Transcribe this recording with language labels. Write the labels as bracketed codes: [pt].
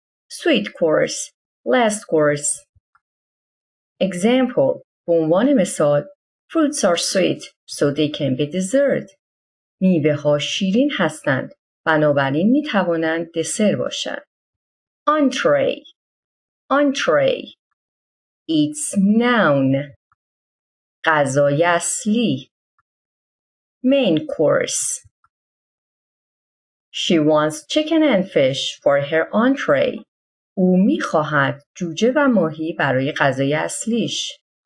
[en] Sweet course, last course. Example, [fa] به عنوان مثال [en] Fruits are sweet, so they can be dessert. [fa] میوه ها شیرین هستند، بنابراین می توانند دسر باشند. [en] Entree It's noun [fa] غذای اصلی [en] Main course She wants chicken and fish for her entree. [fa] او می خواهد جوجه و ماهی برای غذای اصلیش.